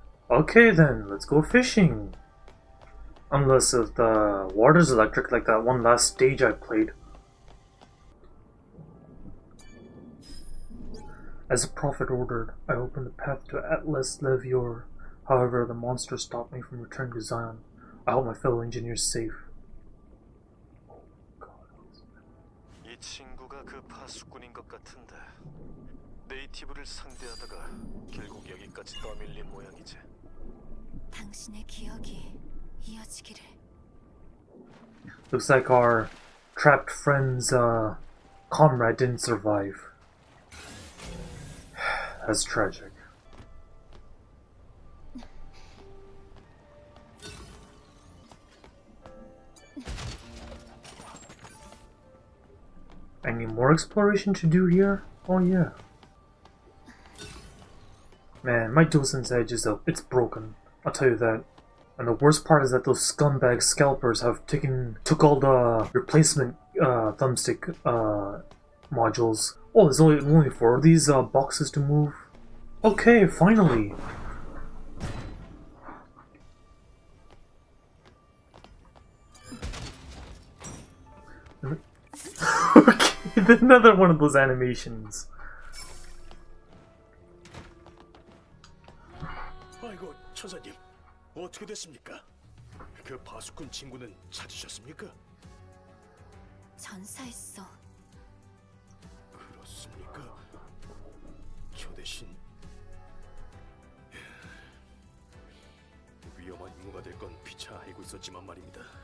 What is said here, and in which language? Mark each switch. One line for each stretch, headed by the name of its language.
English: Okay then, let's go fishing. Unless if the water's electric like that one last stage I played. As the prophet ordered, I opened the path to Atlas Levior. However, the monster stopped me from returning to Zion. I hope my fellow engineer is safe. Oh god.
Korean: 이 친구가 그 파수꾼인 것 같은데. 네이티브를 상대하다가 결국 여기까지 떠밀린 모양이지. 당신의 기억이 이어지기를.
English: Looks like our trapped friend's comrade didn't survive. That's tragic. Any more exploration to do here? Oh yeah. Man, my DualSense Edge is up. It's broken. I'll tell you that. And the worst part is that those scumbag scalpers have took all the replacement thumbstick modules. Oh, there's only four of these boxes to move. Okay, finally! Okay, another one of those animations. Oh my god,
Korean: 천사님, 어떻게 됐습니까? 그 파수꾼 친구는 찾으셨습니까? 전사했어. 그렇습니까? 저 대신 위험한 임무가 될 건 피차 알고 있었지만 말입니다.